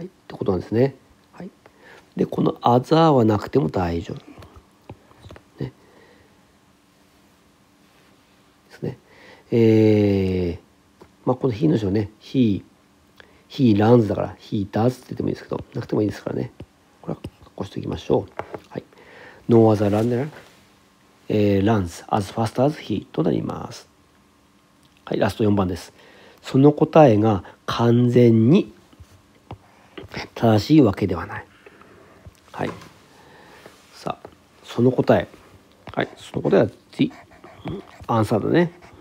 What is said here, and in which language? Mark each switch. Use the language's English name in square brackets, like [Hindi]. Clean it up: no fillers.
[Japanese] ことなんですね。はい、でこのアザーはなくても大丈夫、ね、ですね。まあこの he の人はね [English] he runs [Japanese] だから [English] he does [Japanese] って言ってもいいですけどなくてもいいですからね。これはこうしておきましょう。はい、 [English] no other runner runs as fast as he [Japanese] となります。はい、ラスト4番です。その答えが完全に正しいわけではない。はい。さあ、その答え。はい。その答えは the answer だね。